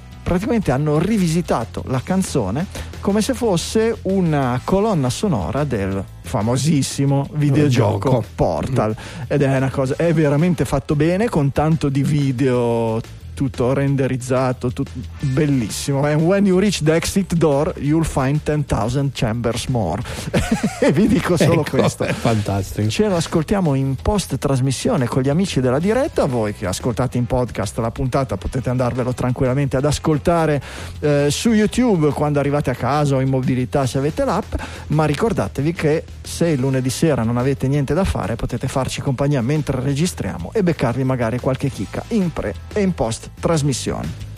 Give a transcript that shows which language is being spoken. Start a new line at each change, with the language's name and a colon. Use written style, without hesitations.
Italian: praticamente hanno rivisitato la canzone come se fosse una colonna sonora del famosissimo videogioco Portal. Ed è una cosa, è veramente fatto bene, con tanto di video, tutto renderizzato, tutto bellissimo.
English: And when you reach the exit door, you'll find 10,000 chambers more.
Italian: E vi dico solo, ecco, questo. Fantastico. Ce l'ascoltiamo in post trasmissione con gli amici della diretta. Voi che ascoltate in podcast la puntata potete andarvelo tranquillamente ad ascoltare su YouTube quando arrivate a casa o in mobilità se avete l'app. Ma ricordatevi che se il lunedì sera non avete niente da fare, potete farci compagnia mentre registriamo e beccarvi magari qualche chicca in pre e in post trasmissione.